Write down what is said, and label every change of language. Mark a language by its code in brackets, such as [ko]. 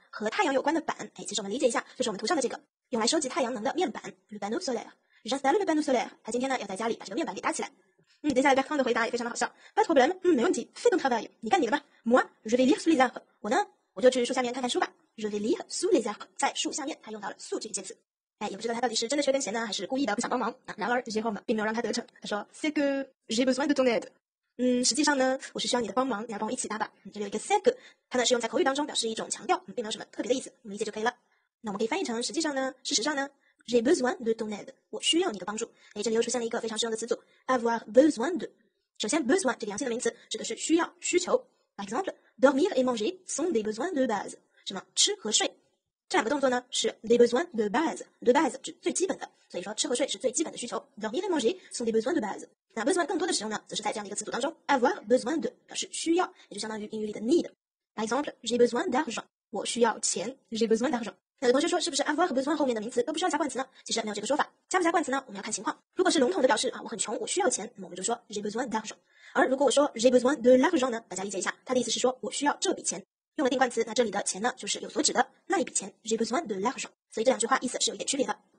[zh] 和太阳有关的板，其实我们理解一下，就是我们图上的这个用来收集太阳能的面板。 [fr] Le panneau solaire， j'installe le panneau solaire， [zh] 他今天呢要在家里把这个面板给搭起来。接下来 Bertrand 的回答也非常的好笑。 [fr] Pas de problème， [zh] 没问题， [fr] fais ton travail， [zh] 你干你的吧。 [fr] Moi je vais lire sous les arbres， [zh] 我呢我就去树下面看看书吧。 [fr] Je vais lire sous les arbres， [zh] 在树下面，他用到了 sous 这个介词。也不知道他到底是真的缺根弦呢，还是故意的不想帮忙。然而 Jérôme 并没有让他得逞，他说 [fr] c'est que j'ai besoin de ton aide。 [zh] 实际上呢，我是需要你的帮忙，你来帮我一起搭吧。这里有一个 [fr] c'est que， [zh] 它呢是用在口语当中表示一种强调，并没有什么特别的意思，我们理解就可以了。那我们可以翻译成实际上呢，事实上呢， [fr] j'ai besoin de ton aide， [zh] 我需要你的帮助。这里又出现了一个非常实用的词组 [fr] avoir besoin de。 [zh] 首先 besoin 这个阳性的名词指的是需要、需求。 [fr] example， dormir et manger sont des besoins de base。 [zh] 什么吃和睡这两个动作呢是 [fr] des besoins de base， de base [zh] 指最基本的，所以说吃和睡是最基本的需求。 [fr] dormir et manger sont des besoins de base。 [zh] 那 besoin 更多的使用呢，则是在这样的一个词组当中， [fr] avoir besoin de [zh] 表示需要，也就相当于英语里的 need。 [fr] Par exemple j'ai besoin d'argent， [zh] 我需要钱。 [fr] j'ai besoin d'argent。 [zh] 那有同学说是不是 avoir 和 besoin 后面的名词都不需要加冠词呢？其实没有这个说法，加不加冠词呢我们要看情况。如果是笼统的表示我很穷我需要钱，那么我们就说 [fr] j'ai besoin d'argent。 [zh] 而如果我说 [fr] j'ai besoin de l'argent [zh] 呢，大家理解一下，它的意思是说我需要这笔钱。用了定冠词，那这里的钱呢就是有所指的那一笔钱， [fr] j'ai besoin de l'argent， [zh] 所以这两句话意思是有一点区别的。